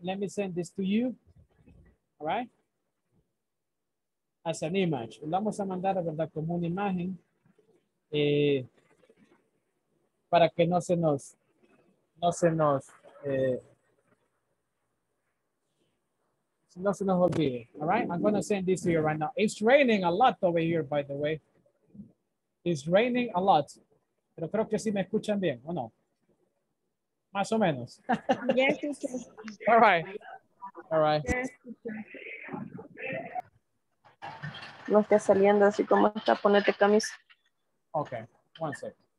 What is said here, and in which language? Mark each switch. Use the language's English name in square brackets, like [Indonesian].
[English] Let me send this to you, all right? As an image. [Spanish] Vamos a mandar, ¿verdad? Como una imagen para que no se nos olvide. [English] All right, I'm gonna send this to you right now. It's raining a lot over here, by the way. It's raining a lot. [Spanish] Pero creo que sí me escuchan bien, ¿o no? Más o menos. [English] Yes, yes. All right. All right. [Spanish] Yes, no estés saliendo así como está, ponete camisa. [English] Okay, one sec.